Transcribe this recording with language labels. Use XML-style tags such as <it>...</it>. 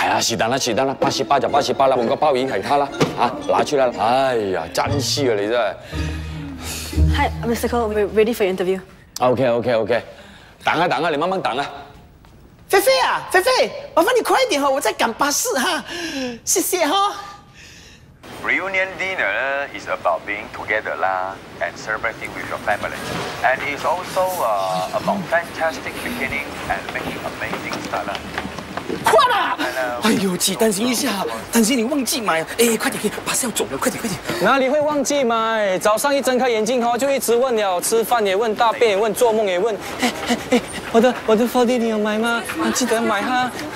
<zh>哎呀，是当了是当了，88就88了，我个鲍鱼给他了啊，拿去了。哎呀，真是啊，你这。</zh> <en>Hi, Mr. Cole, we're ready for your interview.</en> <zh>OK. 等啊等啊，你慢慢等啊。菲菲啊，菲菲，麻烦你快一点哈，我在赶巴士哈，谢谢哈。</zh> <en>Reunion dinner is about being together lah and celebrating with your family, and it's also about fantastic beginning and making amazing start lah.</en> <zh>快啦！哎呦，姐，担心一下，担心你忘记买。哎，快点，巴士要走了，快点，快点。哪里会忘记买？早上一睁开眼睛哈，就一直问了，吃饭也问，大便也问，做梦也问。哎，我的 Forty 你有买吗？记得买哈。</zh>